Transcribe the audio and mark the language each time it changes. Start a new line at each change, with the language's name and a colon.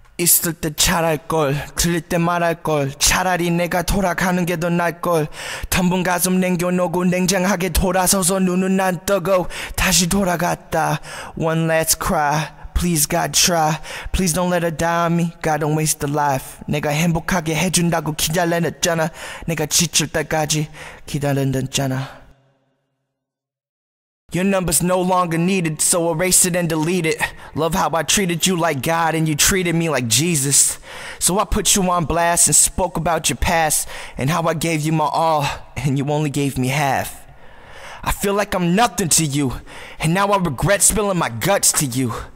Korean: 있을 때 잘할 걸, 들릴 때 말할 걸, 차라리 내가 돌아가는 게더 나을 걸. 텅빈 가슴 냉겨놓고 냉정하게 돌아서서 눈은 안 뜨고 다시 돌아갔다.
English: One last cry, please God try, please don't let her die on me, God don't waste the life.
Korean: 내가 행복하게 해준다고 기다려냈잖아, 내가 지칠 때까지 기다렸잖아.
English: Your number's no longer needed, so erase it and delete it. Love how I treated you like God and you treated me like Jesus. So I put you on blast and spoke about your past and how I gave you my all and you only gave me half. I feel like I'm nothing to you, and now I regret spilling my guts to you.